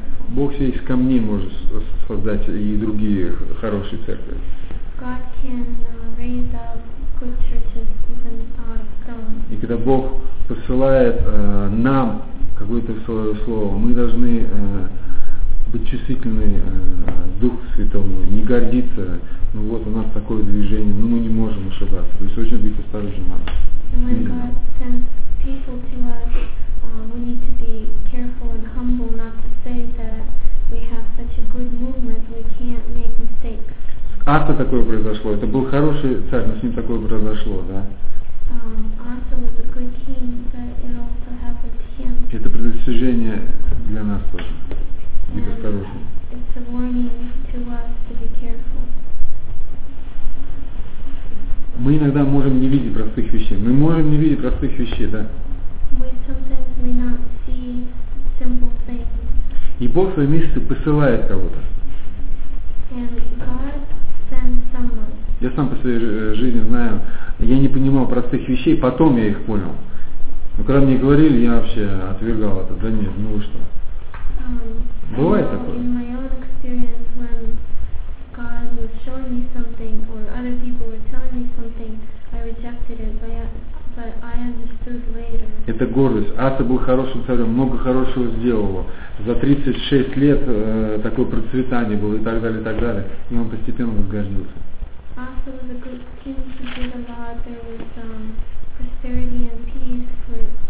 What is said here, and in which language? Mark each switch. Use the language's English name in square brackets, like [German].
[Russian] Бог все из камней может создать и другие хорошие церкви. [English] God can raise up good churches even out of stone. [Russian] И когда Бог посылает нам какое-то свое слово, мы должны быть чувствительны Духу Святому, не гордиться. Ну вот у нас такое движение, но мы не можем ошибаться. То есть очень быть осторожным. [English] And when God sends people to us, we need to be careful and humble not to say that we have such a good movement, we can't make mistakes. [Russian] Аса такое произошло. Это был хороший царь, но с ним такое произошло, да? [English] Аса was a good king, but it also happened to him. [Russian] Это предостережение для нас тоже. Будь осторожен. [English] It's a warning to us to be careful. [Russian] Мы иногда можем не видеть простых вещей. Мы можем не видеть простых вещей, да? [English] We sometimes may not see simple things. [Russian] И Бог в своем месте посылает кого-то. [English] And God sends someone. [Russian] Я сам по своей жизни знаю, я не понимал простых вещей, потом я их понял. Но когда мне говорили, я вообще отвергал это. Да нет, ну вы что? Бывает такое? [English] In my own experience, when God was showing me something, or other people were telling me something, I rejected it, but I understood later. [Russian] Это гордость. Аса был хорошим царем, много хорошего сделал. За 36 лет такое процветание было и так далее, и так далее. И он постепенно возгордился. [English] Аса was a good king, he did a lot. There was prosperity and peace for